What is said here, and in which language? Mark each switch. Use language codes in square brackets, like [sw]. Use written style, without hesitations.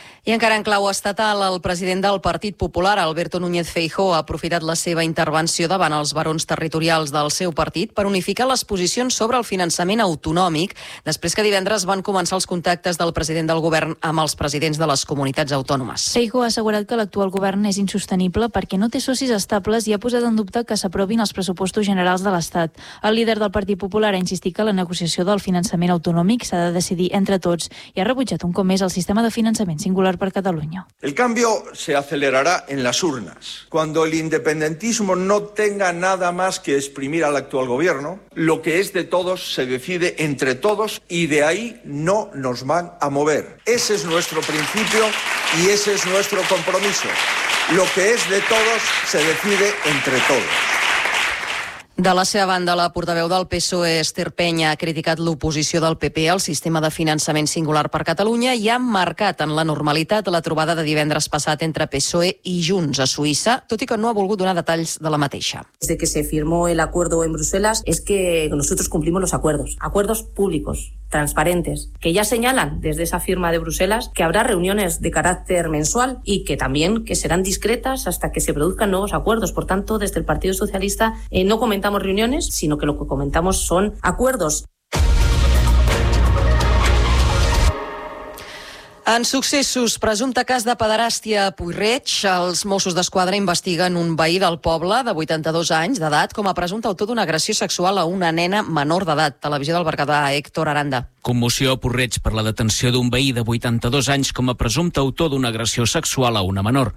[ca] I encara en clau estatal, el president del Partit Popular, Alberto Núñez Feijóo, ha aprofitat la seva intervenció davant els barons territorials del seu partit per unificar les posicions sobre el finançament autonòmic, després que divendres van començar els contactes del president del govern amb els presidents de les comunitats autònomes. Feijóo ha assegurat que l'actual govern és insostenible perquè no té socis estables i ha posat en dubte que s'aprovin els pressupostos generals de l'Estat. El líder del Partit Popular ha insistit que la negociació del finançament autonòmic s'ha de decidir entre tots i ha rebutjat un cop més el sistema de finançament singular per Catalunya. [es] El cambio se acelerará en las urnas. Cuando el independentismo no tenga nada más que exprimir al actual gobierno, lo que es de todos se decide entre todos y de ahí no nos van a mover. Ese es nuestro principio y ese es nuestro compromiso. Lo que es de todos se decide entre todos. [ca] De la seva banda, la portaveu del PSOE, Esther Peña, ha criticat l'oposició del PP al sistema de finançament singular per Catalunya i ha marcat en la normalitat la trobada de divendres passat entre PSOE i Junts a Suïssa, tot i que no ha volgut donar detalls de la mateixa. [es] Desde que se firmó el acuerdo en Bruselas es que nosotros cumplimos los acuerdos, acuerdos públicos, transparentes, que ya señalan desde esa firma de Bruselas que habrá reuniones de carácter mensual y que también que serán discretas hasta que se produzcan nuevos acuerdos. Por tanto, desde el Partido Socialista no comentamos reuniones, sino que lo que comentamos son acuerdos. [ca] En successos, presumpte cas de pederàstia a Puig-reig, els Mossos d'Esquadra investiguen un veí del poble de 82 anys d'edat com a presumpte autor d'una agressió sexual a una nena menor d'edat. Televisió del Berguedà, Héctor Aranda. Commoció a Puig-reig per la detenció d'un veí de 82 anys com a presumpte autor d'una agressió sexual a una menor.